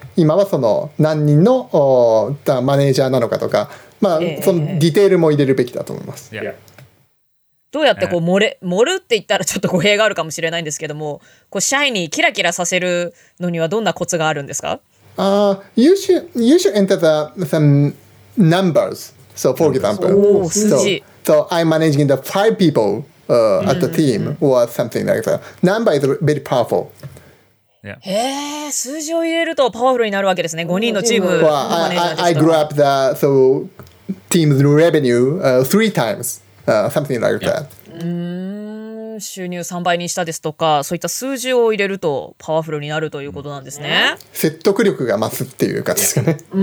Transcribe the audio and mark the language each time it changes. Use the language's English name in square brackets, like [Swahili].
[Japanese] 今はその何人のマネージャーなのかとか、まあそのディテールも入れるべきだと思います。どうやってこう盛るって言ったらちょっと語弊があるかもしれないんですけども、こうシャイニーキラキラさせるのにはどんなコツがあるんですか？ [English] You should enter some numbers. So for example, so I'm managing the five people at the team or something like that. Number is very powerful. Yeah. [Japanese] 数字を入れるとパワフルになるわけですね。5人のチームのマネージャーですと。 [English] I grew up the so team's revenue three times. Something like that. [Japanese] 収入3倍にしたですとか、そういった数字を入れるとパワフルになるということなんですね。説得力が増すっていうかですかね。